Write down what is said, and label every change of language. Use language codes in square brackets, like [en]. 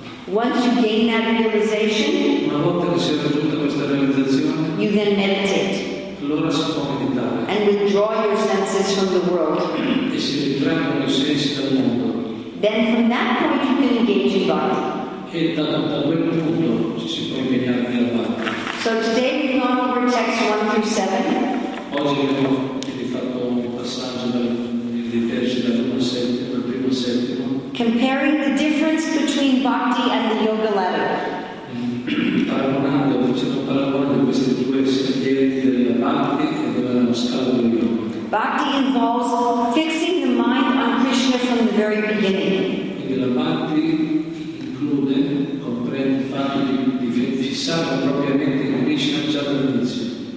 [en] Once you gain that realization, you then meditate. [it] Allora si può meditare. [en] And withdraw your senses from the world. [it] E si ritraggono i sensi dal mondo. [en] Then from that point you can engage in bhakti. [it] E da quel punto si può impegnare nella bhakti. [en] So today we've gone over text 1 through 7. [it] Oggi abbiamo fatto un passaggio dei versi dal 1 al 7, dal primo al 7. [en] Comparing the difference between bhakti and the yoga ladder. [it] Paragonando, facendo paragone di questi due sentieri della bhakti e della scala del yoga. [en] Bhakti involves fixing the mind on Krishna from the very beginning. [it] Quindi la bhakti include, comprende il fatto di fissare propriamente Krishna già dall'inizio.